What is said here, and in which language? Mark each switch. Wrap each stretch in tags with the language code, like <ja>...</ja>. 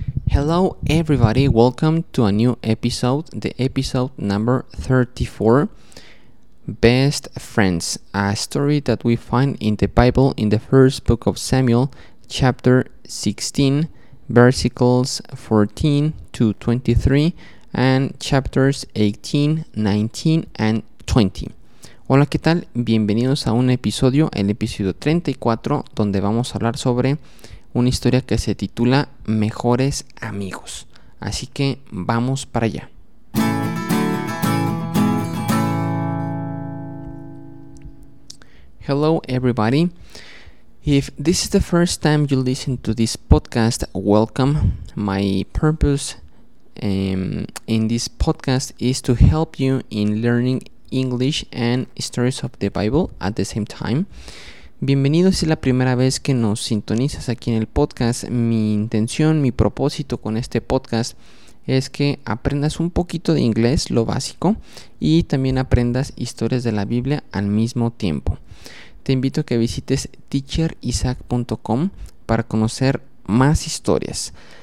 <en>Hello everybody, welcome to a new episode, the episode number 34, Best Friends, a story that we find in the Bible in the first book of Samuel, chapter 16, versicles 14 to 23, and chapters 18, 19, and 20.</en> <es>Hola, ¿qué tal? Bienvenidos a un episodio, el episodio 34, donde vamos a hablar sobre una historia que se titula Mejores Amigos. Así que vamos para allá.</es> <en>Hello, everybody. If this is the first time you listen to this podcast, welcome. My purpose in this podcast is to help you in learning English and stories of the Bible at the same time.</en> <es>Bienvenido si es la primera vez que nos sintonizas aquí en el podcast. Mi intención, mi propósito con este podcast es que aprendas un poquito de inglés, lo básico, y también aprendas historias de la Biblia al mismo tiempo. Te invito a que visites teacherisaac.com para conocer más historias.</es>